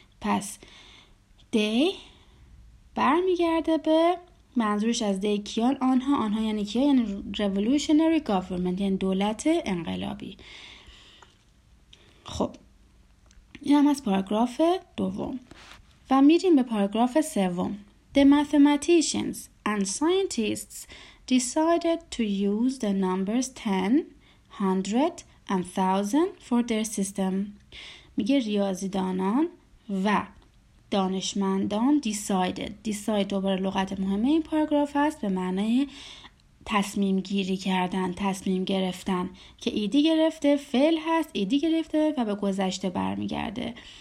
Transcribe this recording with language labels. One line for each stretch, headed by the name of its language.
Persian: پس they برمیگرده به منظورش از دی کیان، آنها یعنی کیا؟ یعنی
English: revolutionary government،
Persian: یعنی دولت انقلابی. خب این هم از پاراگراف دوم و میریم به پاراگراف سوم.
English: The mathematicians and scientists decided to use the numbers 10, 100 and 1000 for their system.
Persian: میگه ریاضیدانان و دانشمندان decided دوباره لغت مهمه این پاراگراف است، به معنی تصمیم گیری کردن، تصمیم گرفتن، که ایدی گرفته فعل هست، ایدی گرفته و به گذشته برمیگرده.